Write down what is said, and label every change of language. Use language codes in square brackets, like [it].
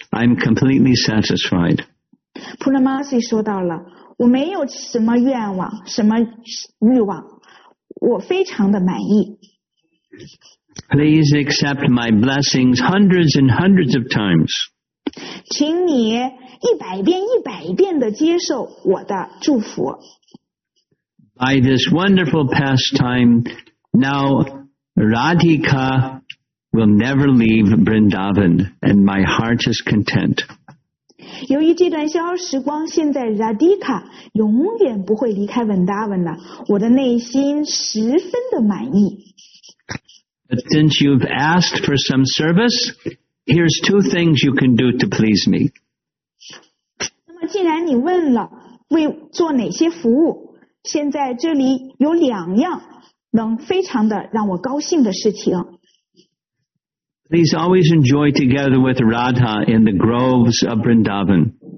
[en] I'm completely satisfied. [zh] Purnamasi 说到了，我没有什么愿望，什么欲望，我非常的满意。 [en] Please accept my blessings hundreds and hundreds of times. [zh] 请你一百遍一百遍的接受我的祝福。 [en] By this wonderful pastime, now Radhika will never leave Vrindavan, and my heart is content. [zh] 由于这段消逝时光，现在 Radhika 永远不会离开 Vrindavan 了，我的内心十分的满意。 [en] But since you've asked for some service, here's two things you can do to please me. [zh] 那么既然你问了为做哪些服务，现在这里有两样能非常的让我高兴的事情。 [en] Please always enjoy together with Radha in the groves of Vrindavan.